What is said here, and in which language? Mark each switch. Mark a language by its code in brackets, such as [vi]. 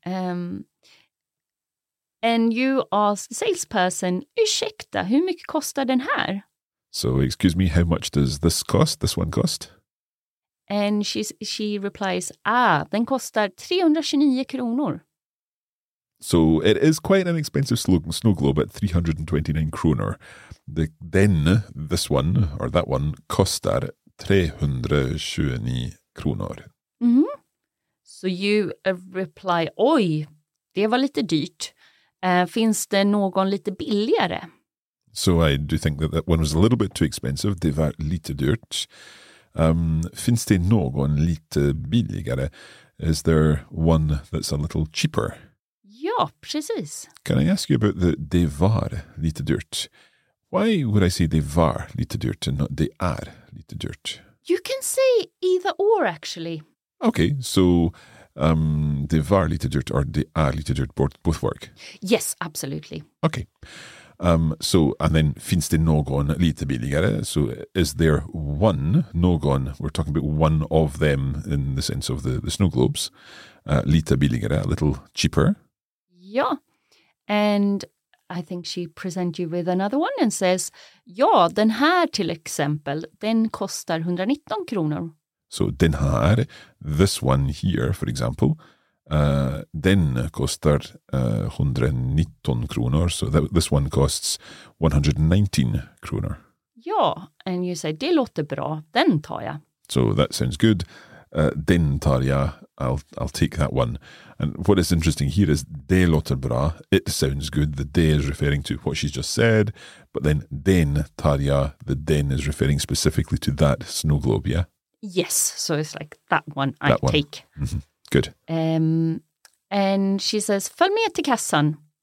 [en] And you ask the salesperson, [sv] ursäkta, hur mycket kostar den här? [en] So excuse me, how much does this cost, this one cost? And she replies, ah, [sv] den kostar 329 kronor. [en] So it is quite an expensive snow globe at 329 kronor. This one kostar 329 kronor. [sv] Mm-hmm. [en] So you reply, [sv] oj, det var lite dyrt. Finns det någon lite billigare? [en] So I do think that one was a little bit too expensive. [sv] Det var lite dyrt. Finns det någon lite billigare? [en] Is there one that's a little cheaper? [sv] Ja, precis. [en] Can I ask you about the [sv] det var lite dyrt? [en] Why would I say [sv] det var lite dyrt [en] and not [sv] det är lite dyrt? [en] You can say either or, actually. Okay, so [sv] det var lite dyrt [en] or [sv] det är lite dyrt, [en] both work? Yes, absolutely. Okay. So, and then [sv] finns det någon lite billigare? [en] So, is there one, någon, we're talking about one of them in the sense of the snow globes, [sv] lite billigare, [en] a little cheaper? Ja, and I think she presents you with another one and says, [sv] ja, den här till exempel, den kostar 119 kronor. [en] So, den här, this one here, for example, [sv] den kostar 119 kronor. [en] So, this one costs 119 kronor. [sv] Ja, [en] and you say, [sv] det låter bra, den tar jag. [en] So, that sounds good. [sv] Den tar jag, [en] I'll take that one. And what is interesting here is [sv] det låter bra, [en] it sounds good. The de is referring to what she's just said, but then [sv] den tar jag, [en] the den is referring specifically to that snow globe, yeah? Yes, so it's like that one that I one. Take. Mm-hmm. Good. And she says, [sv] följ med till kassan.